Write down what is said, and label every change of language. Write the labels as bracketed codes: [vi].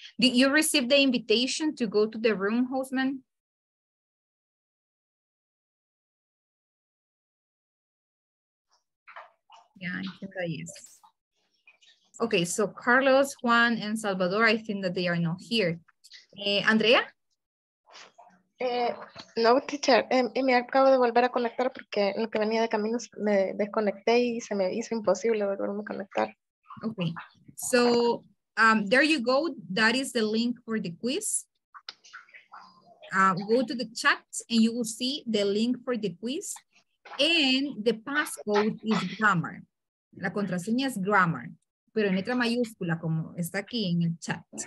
[en] Did you receive the invitation to go to the room, Hosman? Yeah, I think that yes. Okay, so Carlos, Juan, and Salvador, I think that they are not here. Andrea? No, teacher. [es] Me acabo de volver a conectar porque en lo que venía de camino me desconecté y se me hizo imposible volverme a conectar. [en] Okay. So there you go. That is the link for the quiz. Go to the chat and you will see the link for the quiz. And the passcode is grammar. [es] La contraseña es grammar. Pero en letra mayúscula como está aquí en el chat.